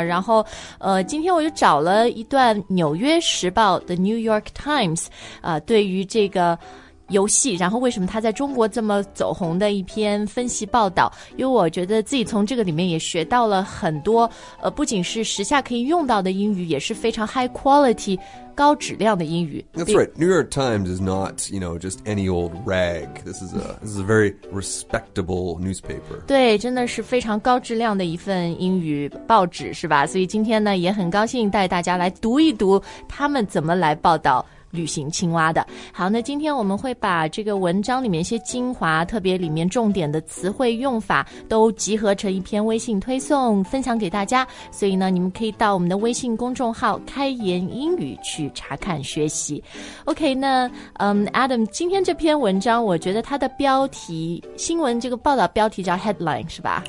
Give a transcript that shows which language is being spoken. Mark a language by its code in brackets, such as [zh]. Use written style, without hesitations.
[zh] 然后，今天我就找了一段《纽约时报》的 New York Times， 对于这个。游戏然后为什么它在中国这么走红的一篇分析报道因为我觉得自己从这个里面也学到了很多不仅是时下可以用到的英语也是非常 high quality 高质量的英语 [en] That's right, New York Times is not, you know, just any old rag This is a very respectable newspaper [zh] 对真的是非常高质量的一份英语报纸是吧所以今天呢也很高兴带大家来读一读他们怎么来报道旅行青蛙的好那今天我们会把这个文章里面一些精华特别里面重点的词汇用法都集合成一篇微信推送分享给大家所以呢你们可以到我们的微信公众号开言英语去查看学习 OK 那Adam 今天这篇文章我觉得它的标题新闻这个报道标题叫 headline 是吧